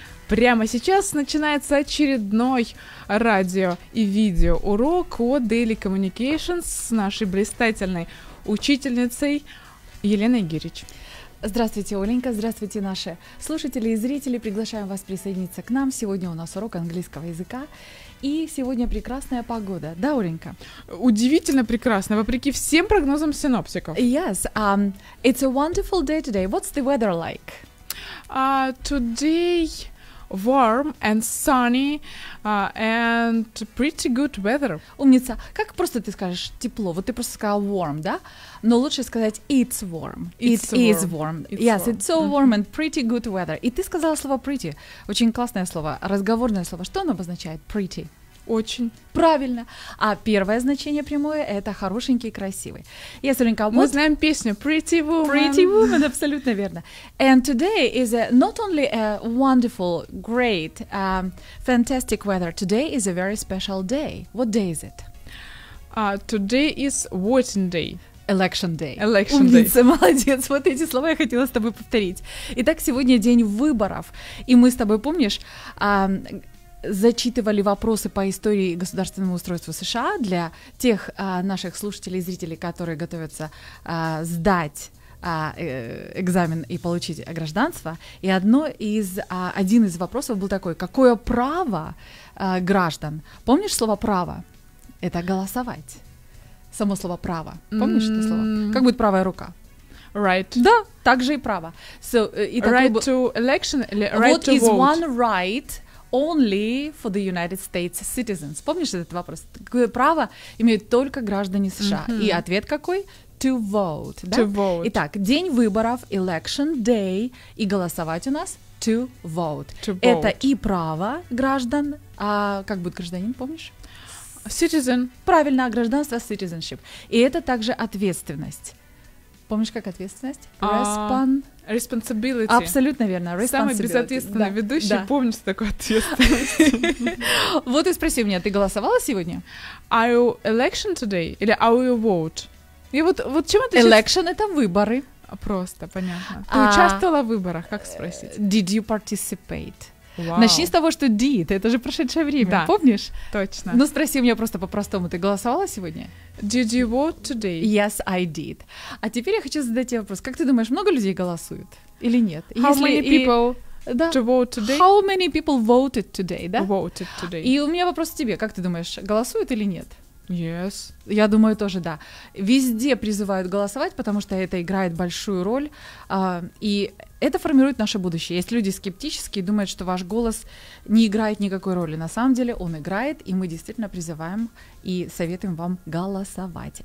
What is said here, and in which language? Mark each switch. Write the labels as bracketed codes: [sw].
[ru] Прямо сейчас начинается очередной радио и видео урок от Daily Communications с нашей блистательной учительницей Еленой Гирич. Здравствуйте, Оленька, здравствуйте, наши слушатели и зрители. Приглашаем вас присоединиться к нам. Сегодня у нас урок английского языка. И сегодня прекрасная погода, да, Оленька? Удивительно прекрасная, вопреки всем прогнозам синоптиков. [en] Yes, it's a wonderful day today. What's the weather like? Today warm and sunny and pretty good weather. [ru] Умница. Как просто ты скажешь тепло? Вот ты просто сказала warm, да? Но лучше сказать [en] it's warm. It's warm. It's so warm and pretty good weather. [ru] И ты сказала слово pretty. Очень классное слово, разговорное слово. Что оно обозначает? Pretty. Очень. Правильно. А первое значение прямое — это хорошенький, красивый. Yes, Оленька, мы знаем песню Pretty Woman. Pretty Woman, абсолютно верно. [en] And today is not only a wonderful, great, fantastic weather. Today is a very special day. What day is it? Today is voting day. Election Day. Election [ru] Умница, [en] day. [ru] Молодец. Вот эти слова я хотела с тобой повторить. Итак, сегодня день выборов. И мы с тобой, помнишь, зачитывали вопросы по истории государственного устройства США для тех наших слушателей и зрителей, которые готовятся сдать экзамен и получить гражданство. И один из вопросов был такой: какое право граждан? Помнишь слово «право»? Это голосовать. Само слово «право». Помнишь это слово? Как будет правая рука? [en] Right. [ru] Да, так же и право. [en] So, to election, right what to is vote. One right only for the United States citizens? [ru] Помнишь этот вопрос? Какое право имеют только граждане США? Mm-hmm. И ответ какой? [en] To vote. [ru] Да? [en] To vote. [ru] Итак, день выборов, election day, и голосовать у нас [en] to vote. To vote. [ru] Это и право граждан, а как будет гражданин, помнишь? [en] Citizen. [ru] Правильно, гражданство, citizenship. И это также ответственность. Помнишь, как ответственность? [en] Responsibility. [ru] Абсолютно верно. Responsibility. Самый безответственный ведущий, да. Помнишь такую ответственность? Вот и спроси меня, ты голосовала сегодня? [en] Are you election today? Или are you vote? [ru] И вот чем отличается? Election — это выборы. Просто, понятно. Ты участвовала в выборах, как спросить? [en] Did you participate? Wow. [ru] Начни с того, что did, это же прошедшее время, да. Помнишь? Точно. Ну спроси у меня просто по-простому, ты голосовала сегодня? [en] Did you vote today? Yes, I did. [ru] А теперь я хочу задать тебе вопрос, как ты думаешь, много людей голосуют или нет? [en] How Если many people и... да. to vote today? How many people voted today, да? Voted today. [ru] И у меня вопрос к тебе, как ты думаешь, голосуют или нет? [en] Yes. [ru] Я думаю, тоже да. Везде призывают голосовать, потому что это играет большую роль, и это формирует наше будущее. Есть люди скептические, думают, что ваш голос не играет никакой роли. На самом деле он играет, и мы действительно призываем и советуем вам голосовать.